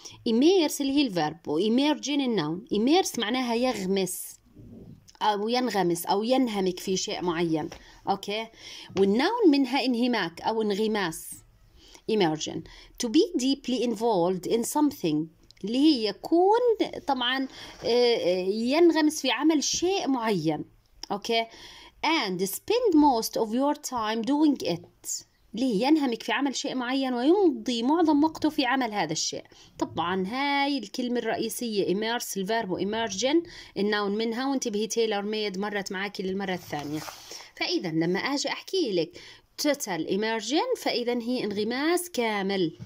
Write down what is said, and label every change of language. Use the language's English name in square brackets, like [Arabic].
[Arabic] اميرس اللي هي الفيرب وايمرجن الناون. اميرس معناها يغمس او ينغمس او ينهمك في شيء معين، اوكي؟ والناون منها انهماك او انغماس. [English] Emergent. To be deeply involved in something. [Arabic] اللي هي يكون طبعا ينغمس في عمل شيء معين. [English] Okay. And spend most of your time doing it. [Arabic] اللي هي ينهمك في عمل شيء معين ويمضي معظم وقته في عمل هذا الشيء. طبعا هاي الكلمة الرئيسية immerse الفيرب emergent الناون منها، وانتبهي تيلر ميد مرت معك للمرة الثانية. فإذا لما أجي أحكي لك total immersion فإذا هي انغماس كامل.